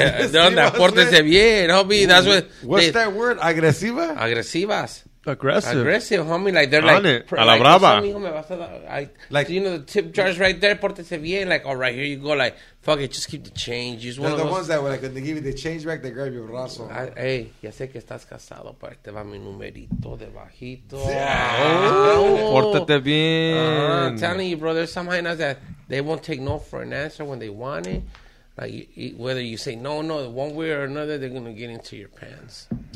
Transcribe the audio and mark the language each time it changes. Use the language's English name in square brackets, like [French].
[English] They're on that [Spanish] portense bien, [English] homie. That's what's that word? Agresiva? [Spanish] Agresivas. [English] Aggressive. Aggressive, homie. Like, they're like. [Spanish] A la brava. [English] Like, you know, the tip jars right there, [Spanish] portense bien. [English] Like, all right, here you go. Like, fuck it, just keep the change. They're the ones that, when they give you the change back, they grab your brazo. [Spanish] Hey, ya sé que estás casado, pero te va mi numerito de bajito. Pórtate bien. [English] I'm telling you, bro, there's some hyenas that they won't take no for an answer when they want it. Like, whether you say no, one way or another, they're going to get into your pants.